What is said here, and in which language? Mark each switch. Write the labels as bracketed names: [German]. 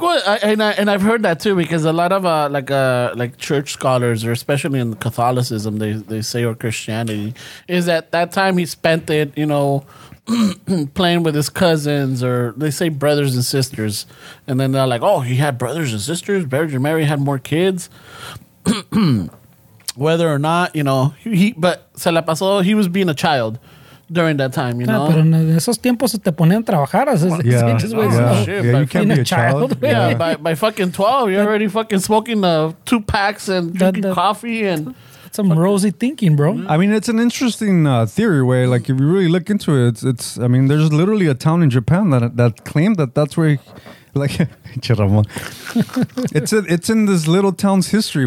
[English] I've heard that too, because a lot of like church scholars, or especially in Catholicism, they say, or Christianity, is that that time he spent it, you know, playing with his cousins, or they say brothers and sisters. And then they're like, oh, he had brothers and sisters. Virgin Mary had more kids. Whether or not, you know, but [Spanish] se la pasó, [English] he was being a child during that time, you know. [Spanish] Pero en esos tiempos se te ponían a trabajar. [English] Yeah, just yeah. Shit, yeah, by, you can't be a child. Yeah, by fucking 12, you're already fucking smoking two packs and drinking coffee and... Some rosy thinking, bro. I mean, it's an interesting theory. Way, like, if you really look into it, it's. I mean, there's literally a town in Japan that claimed that that's where, it's in this little town's history.